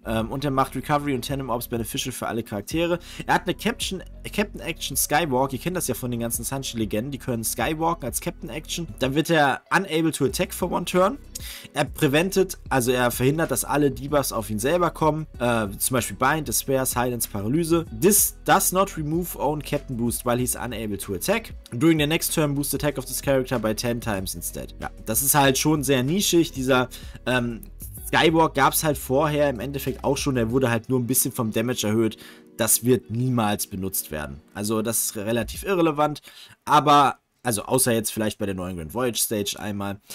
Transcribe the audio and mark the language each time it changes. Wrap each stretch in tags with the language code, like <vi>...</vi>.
<de>Und er macht Recovery und Tandem Orbs beneficial für alle Charaktere. Er hat eine Captain Action Skywalk. Ihr kennt das ja von den ganzen Sanji-Legenden. Die können Skywalken als Captain Action. Dann wird er</de> <en>unable to attack for one turn.</en> <de>Er preventet, also er verhindert, dass alle Debuffs auf ihn selber kommen. Zum Beispiel Bind, Despair, Silence, Paralyse.</de> <en>This does not remove own Captain Boost while he's unable to attack. During the next turn boost attack of this character by 10 times instead.</en> <de>Ja, das ist halt schon sehr nischig, dieser Skywalk gab es halt vorher im Endeffekt auch schon, der wurde halt nur ein bisschen vom Damage erhöht. Das wird niemals benutzt werden. Also das ist relativ irrelevant, aber, also außer jetzt vielleicht bei der neuen Grand Voyage Stage einmal.</de>